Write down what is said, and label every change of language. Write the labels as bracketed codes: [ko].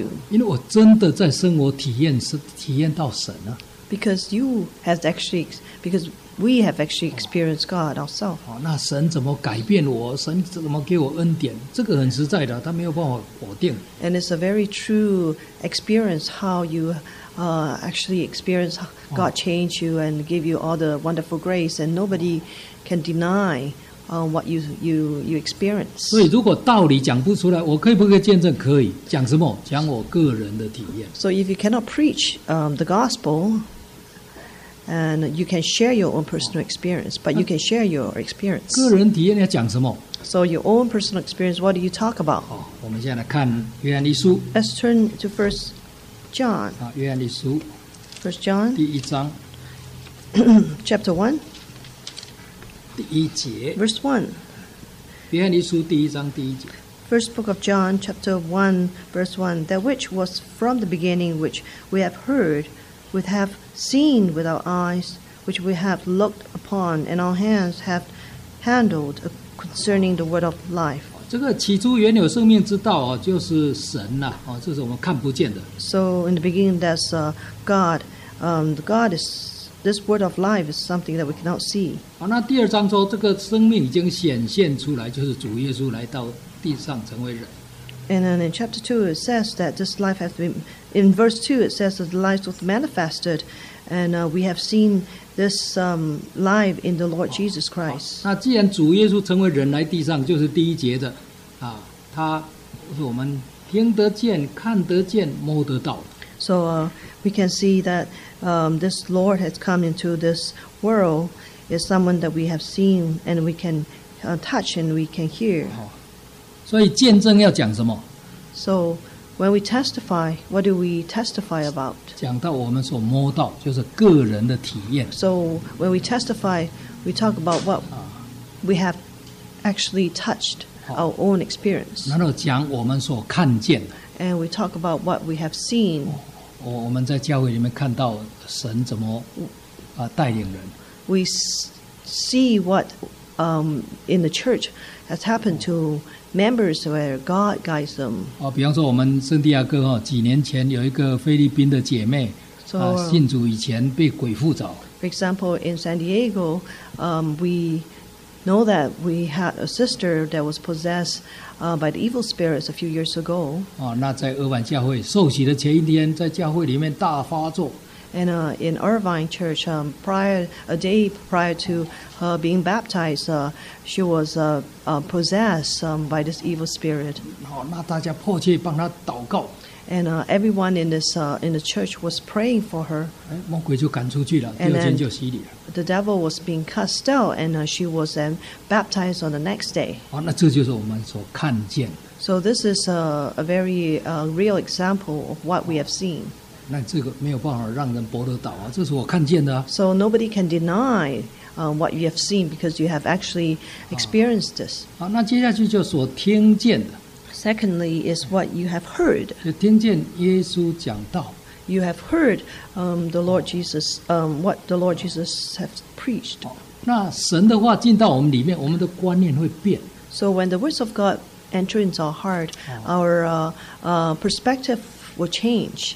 [zh] 因为我真的在生活体验到神啊。 [en] Because we have actually experienced God ourselves. [zh] 好，那神怎么改变我？神怎么给我恩典？这个很实在的，他没有办法否定。 [en] And it's a very true experience how you actually experience God change you and give you all the wonderful grace, and nobody can deny what you experience. [zh] 所以如果道理讲不出来，我可以不可以见证？可以，讲什么？讲我个人的体验。 [en] So if you cannot preach the gospel, and you can share your own personal experience, but you can share your experience. [zh] 个人体验要讲什么？ [en] So your own personal experience, what do you talk about? [zh] 好，我们现在来看约翰一书。 [en] Let's turn to First John. [zh] 啊，约翰一书。 [en] First John. [zh] 第一章。 [en] Chapter one. [zh] 第一节 [en] Verse 1 [zh] 约翰一书第一章第一节 [en] First book of John chapter 1 verse 1 That which was from the beginning which we have heard we have seen with our eyes which we have looked upon and our hands have handled concerning the word of life [zh] 这个起初原有生命之道就是神啊，这是我们看不见的 [en] So in the beginning that's God God isThis word of life is something that we cannot see. [zh] 好，那第二章说这个生命已经显现出来，就是主耶稣来到地上成为人。 [en] And then in chapter 2 it says that this life has been. In verse 2 it says that the life was manifested, and we have seen this life in the Lord Jesus Christ. [zh] 那既然主耶稣成为人来地上，就是第一节的，啊，他是我们听得见、看得见、摸得到。 [en] So we can see that this Lord has come into this world is someone that we have seen and we can touch and we can hear. [zh] 所以见证要讲什么? [en] So when we testify, what do we testify about? [zh] 讲到我们所摸到就是个人的体验。 [en] So when we testify, we talk about what we have actually touched, our own experience. [zh] 然后讲我们所看见的。 [en] And we talk about what we have seen. [zh] 我们在教会里面看到神怎么带领人。 [en] We see what in the church has happened to members where God guides them. [zh] 比方说我们圣地亚哥几年前有一个菲律宾的姐妹信主以前被鬼附着。 [en] For example, in San Diego, we know that we had a sister that was possessed by the evil spirits a few years ago. [zh] 那在厄万教会受洗的前一天，在教会里面大发作。 [en] And in Irvine Church, a day prior to her being baptized, she was possessed by this evil spirit. [zh] 那大家迫切帮她祷告。 [en] And everyone in the church was praying for her. [zh] 魔鬼就赶出去了，第二天就洗礼了。 [en] The devil was being cast out, and she was then baptized on the next day. [zh] 那这就是我们所看见。 [en] So this is a very real example of what we have seen. [zh] 那这个没有办法让人驳得倒啊，这是我看见的。 [en] So nobody can deny what you have seen because you have actually experienced this. [zh] 那接下去就所听见的。 [en] Secondly, is what you have heard. [zh] 听见耶稣讲道。 [en] You have heard the Lord Jesus, what the Lord Jesus has preached. [zh] 那神的话进到我们里面，我们的观念会变。 [en] So when the words of God enter into our heart, our perspective will change.